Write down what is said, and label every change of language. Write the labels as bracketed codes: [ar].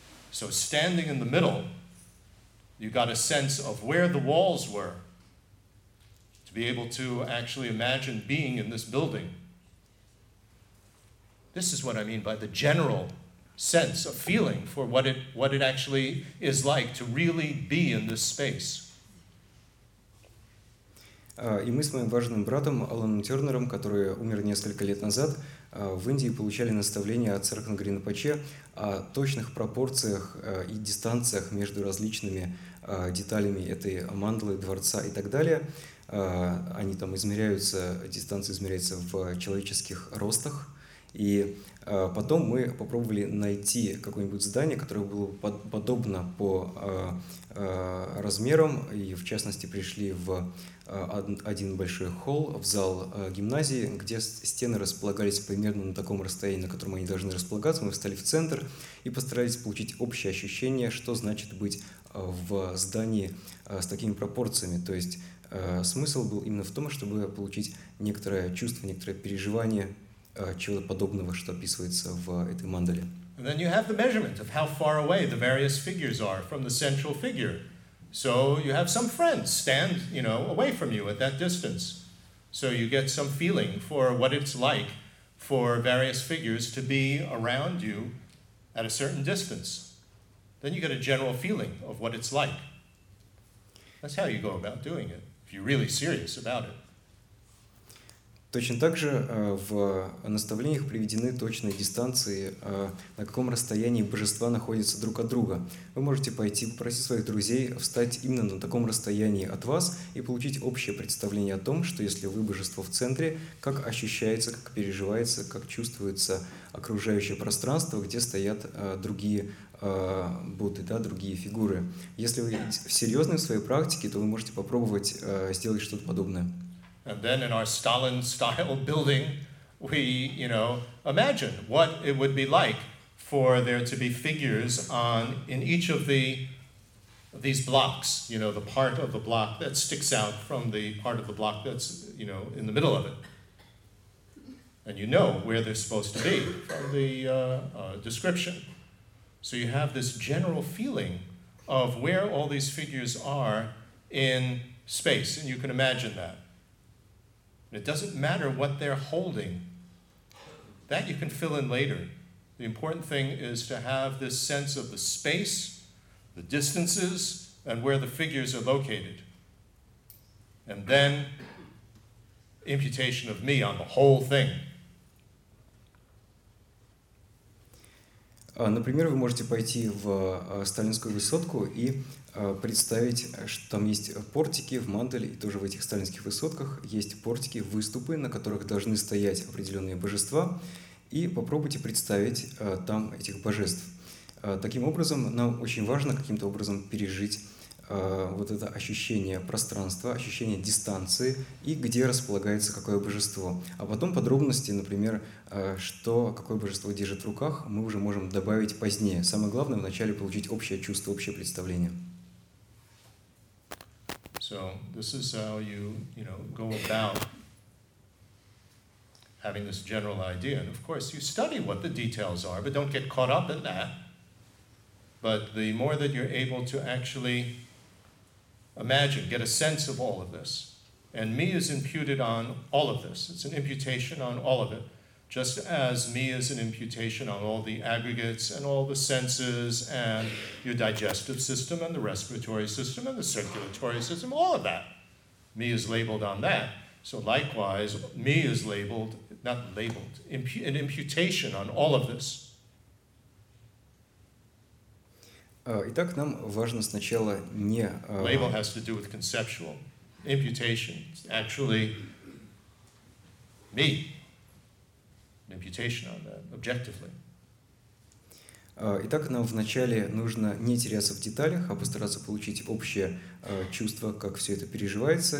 [en] So standing in the middle, you got a sense of where the walls were to be able to actually imagine being in this building. This is what I mean by the general sense of feeling for what it actually is like to really be in this space. [ru] И мы с моим важным братом Аланом Тернером, который умер несколько лет назад, в Индии получали наставления от Сарахан Гринапаче о точных пропорциях и дистанциях между различными деталями этой мандалы, дворца и так далее. Они там измеряются, дистанция измеряется в человеческих ростах. И потом мы попробовали найти какое-нибудь здание, которое было подобно по размерам, и в частности пришли в один большой холл, в зал гимназии, где стены располагались примерно на таком расстоянии, на котором они должны располагаться. Мы встали в центр и постарались получить общее ощущение, что значит быть в здании с такими пропорциями. То есть смысл был именно в том, чтобы получить некоторое чувство, некоторое переживание чего-то подобного, что описывается в этой мандале. [en] And then you have the measurement of how far away the various figures are from the central figure. So you have some friends stand, you know, away from you at that distance. So you get some feeling for what it's like for various figures to be around you at a certain distance. Then you get a general feeling of what it's like. That's how you go about doing it, if you're really serious about it. [ru] Точно так же в наставлениях приведены точные дистанции, на каком расстоянии божества находятся друг от друга. Вы можете пойти попросить своих друзей встать именно на таком расстоянии от вас и получить общее представление о том, что если вы божество в центре, как ощущается, как переживается, как чувствуется окружающее пространство, где стоят другие будды, да, другие фигуры. Если вы серьезны в своей практике, то вы можете попробовать сделать что-то подобное. [en] And then in our Stalin-style building, we, you know, imagine what it would be like for there to be figures on in each of these blocks, you know, the part of the block that sticks out from the part of the block that's, you know, in the middle of it. And you know where they're supposed to be from the description. So you have this general feeling of where all these figures are in space, and you can imagine that. It doesn't matter what they're holding. That you can fill in later. The important thing is to have this sense of the space, the distances, and where the figures are located. And then, imputation of me on the whole thing. [ru] Например, вы можете пойти в сталинскую высотку и представить, что там есть портики в мандале, и тоже в этих сталинских высотках есть портики, выступы, на которых должны стоять определенные божества, и попробуйте представить там этих божеств. Таким образом, нам очень важно каким-то образом пережить вот это ощущение пространства, ощущение дистанции и где располагается какое божество. А потом подробности, например, что какое божество держит в руках, мы уже можем добавить позднее. Самое главное вначале получить общее чувство, общее представление. [en] So this is how you, you know, go about having this general idea. And of course, you study what the details are, but don't get caught up in that. But the more that you're able to actually imagine, get a sense of all of this, and me is imputed on all of this. It's an imputation on all of it, just as me is an imputation on all the aggregates and all the senses and your digestive system and the respiratory system and the circulatory system, all of that. Me is labeled on that. So likewise, me is labeled, not labeled, an imputation on all of this. [ru] Итак, нам важно сначала не... [en] Label has to do with conceptual. Imputation is actually me. Imputation on that, objectively. [ru] Итак, нам вначале нужно не теряться в деталях, а постараться получить общее чувство, как все это переживается.